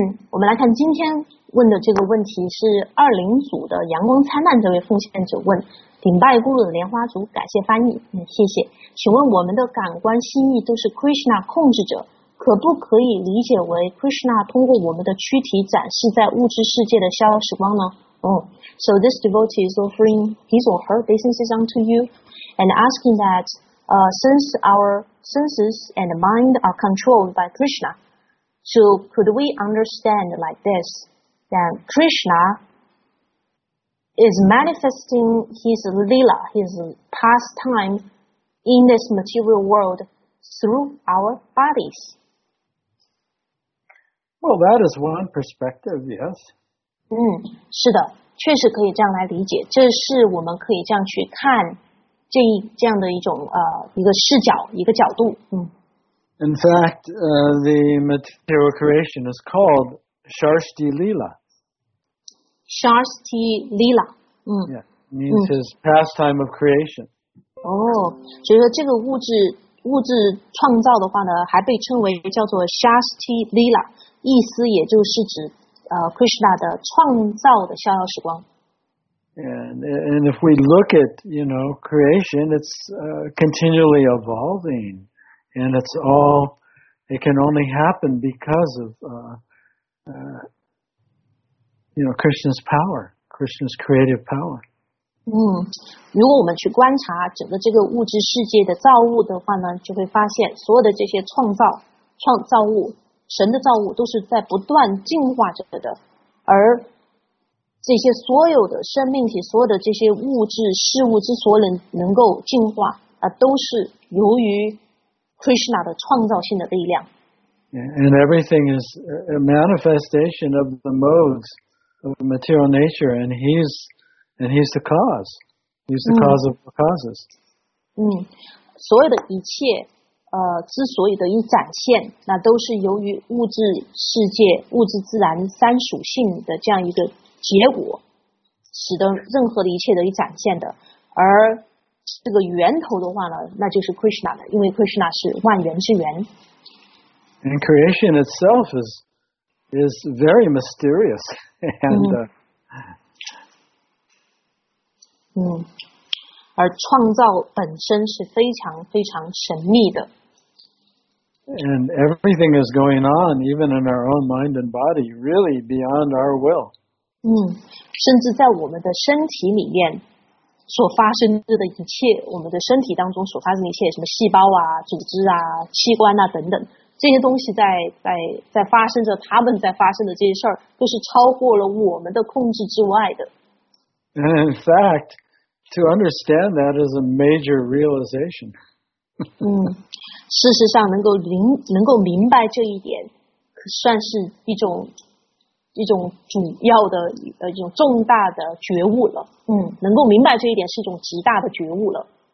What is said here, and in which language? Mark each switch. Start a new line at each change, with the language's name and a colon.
Chinese: 我们来看今天问的这个问题是二零组的阳光灿烂这位奉献者问，顶拜咕噜的莲花族，感谢翻译，谢谢。请问我们的感官心意都是 Krishna 控制者，可不可以理解为 Krishna 通过我们的躯体展示在物质世界的消失光呢？
English: So this devotee is offering his or her businesses unto you and asking that since our senses and mind are controlled by Krishna, so could we understand like this, that Krishna is manifesting his lila, his pastime in this material world through our bodies? Well, that is one perspective, yes.
Chinese: 是的，确实可以这样来理解，这是我们可以这样去看这样的一种一个视角，一个角度。
English: In fact, the material creation is called Sharshti Lila. Sharshti Lila. Means his pastime of creation.
Chinese: 所以说这个物质创造的话呢，还被称为叫做 Sharshti Lila， 意思也就是指Krishna 的创造的逍遥时光。
English: And if we look at, you know, creation, it's continually evolving, and it's all, it can only happen because of, you know, Krishna's power, Krishna's creative power.
Chinese: 如果我们去观察整个这个物质世界的造物的话呢，就会发现所有的这些创造物，神的造物都是在不断进化着的，而这些所有的生命体，所有的这些物质事物之所以能够进化，都是由于 Krishna 的创造性的力量。
English: And everything is a manifestation of the modes of material nature, and he's the cause. He's the cause of the causes.
Chinese: 所有的一切之所以得以展现，那都是由于物质世界、物质自然三属性的这样一个结果，使得任何的一切得以展现的。而这个源头的话呢，那就是 Krishna 的，因为 Krishna 是万源之源。
English: And creation itself is very mysterious. And
Chinese: 而创造本身是非常非常神秘的。
English: And everything is going on, even in our own mind and body, really beyond our will.
Chinese: 甚至在我们的身体里面所发生的一切，我们的身体当中所发生的一切，什么细胞啊、组织啊、器官啊等等，这些东西在发生着，他们在发生的这些事儿，都是超过了我们的控制之外的。
English: And in fact, to understand that is a major realization.
Chinese: 事实上能够明白这一点，可算是一种主要的一种重大的觉悟了。嗯，能够明白这一点是一种极大的觉悟了。